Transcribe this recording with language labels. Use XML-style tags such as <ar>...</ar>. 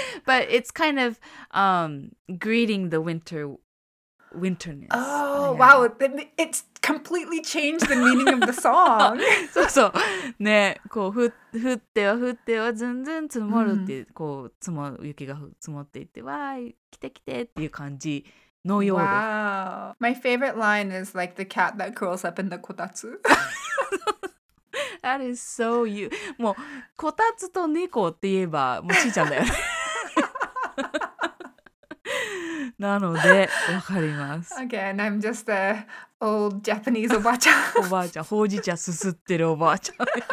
<en>But it's kind of greeting the winter, winterness. Oh, yeah. Wow, then it'sCompletely changed the meaning of the song.</en> <ja>そうそう。ね、こう、降っては降ってはずんずん積もるっていう、こう、積もる、雪が積もっていって、わーい、来て来てっていう感じのようです。</ja> <en>Wow. My favorite line is like the cat that curls up in the kotatsu. That is so you.</en> <ja>もう、こたつと猫って言えば、もうちーちゃんだよね。なので、わかります。</ja> <en>Okay, and I'm just a old Japanese</en> <ja>おばあちゃん。おばあちゃん、ほうじ茶すすってるおばあちゃん。</ja>